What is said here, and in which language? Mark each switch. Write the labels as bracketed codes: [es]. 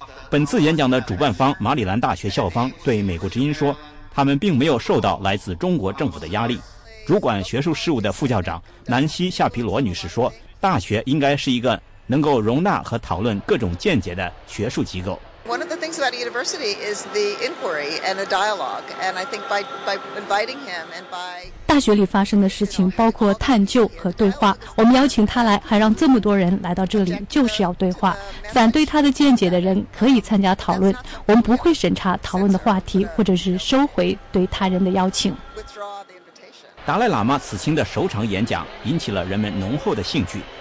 [zh] 本次演讲的主办方马里兰大学校方对美国之音说，他们并没有受到来自中国政府的压力。主管学术事务的副校长南希·夏皮罗女士说，大学应该是一个能够容纳和讨论各种见解的学术机构。 [en] One of the things about a university is the inquiry and a dialogue, and I think by inviting him and by [zh] 大学里发生的事情包括探究和对话。我们邀请他来，还让这么多人来到这里，就是要对话。反对他的见解的人可以参加讨论，我们不会审查讨论的话题，或者是收回对他人的邀请。达赖喇嘛此行的首场演讲引起了人们浓厚的兴趣。